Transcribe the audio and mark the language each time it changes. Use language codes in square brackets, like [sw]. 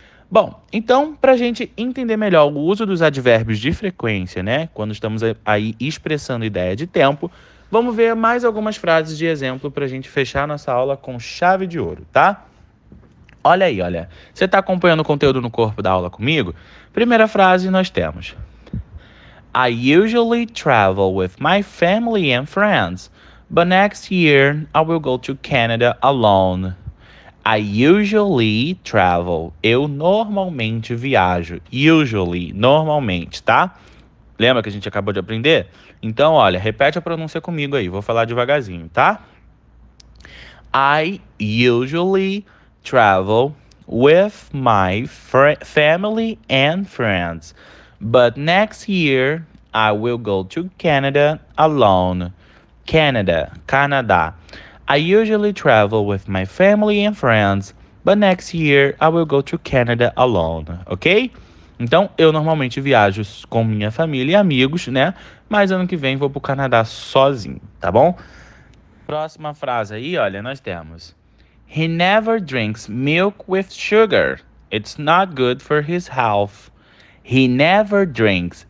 [pt] Bom, então, para a gente entender melhor o uso dos advérbios de frequência, né? Quando estamos aí expressando ideia de tempo, vamos ver mais algumas frases de exemplo para a gente fechar nossa aula com chave de ouro, tá? Olha aí, olha. Você está acompanhando o conteúdo no corpo da aula comigo? Primeira frase nós temos: [en] I usually travel with my family and friends, but next year I will go to Canada alone. I usually travel. [pt] Eu normalmente viajo. Usually, normalmente, tá? Lembra que a gente acabou de aprender? Então, olha, repete a pronúncia comigo aí. Vou falar devagarzinho, tá? [en] I usually travel with my family and friends. But next year, I will go to Canada alone. Canada, Canadá. I usually travel with my family and friends, but next year I will go to Canada alone, ok? [pt] Então, eu normalmente viajo com minha família e amigos, né? Mas ano que vem vou pro Canadá sozinho, tá bom? Próxima frase aí, olha, nós temos: [en] He never drinks milk with sugar. It's not good for his health. He never drinks.